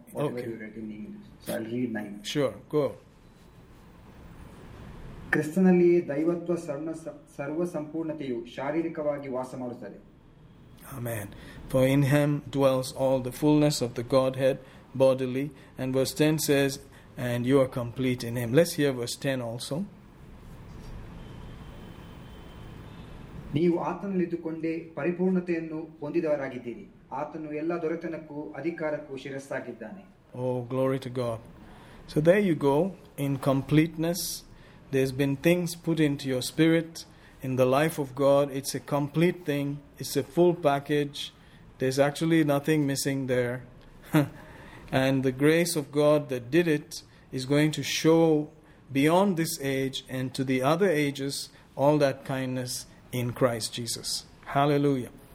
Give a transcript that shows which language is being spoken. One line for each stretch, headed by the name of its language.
English: Whatever you read in English. So I'll read 9. Sure, go.
Kannada: ಕ್ರಿಸ್ತನಲ್ಲಿಯೇ ದೈವತ್ವ ಸರ್ವ ಸರ್ವ ಸಂಪೂರ್ಣತೆಯು ಶಾರೀರಿಕವಾಗಿ ವಾಸ ಮಾಡುತ್ತದೆ.
English: Amen. For in him dwells all the fullness of the Godhead bodily. And verse 10 says, and you are complete in him. Let's hear verse 10 also.
Kannada: ನೀವು ಆತನಲ್ಲಿದ್ದುಕೊಂಡೇ ಪರಿಪೂರ್ಣತೆಯನ್ನು ಹೊಂದಿದವರಾಗಿದ್ದೀರಿ. ಆತನು ಎಲ್ಲ ದೊರೆತನಕ್ಕೂ ಅಧಿಕಾರಕ್ಕೂ ಶಿರಸ್ಸಾಗಿದ್ದಾನೆ.
English: Oh, glory to God. So there you go, in completeness. There's been things put into your spirit, in the life of God. It's a complete thing. It's a full package. There's actually nothing missing there. And the grace of God that did it is going to show beyond this age and to the other ages all that kindness in Christ Jesus. Hallelujah.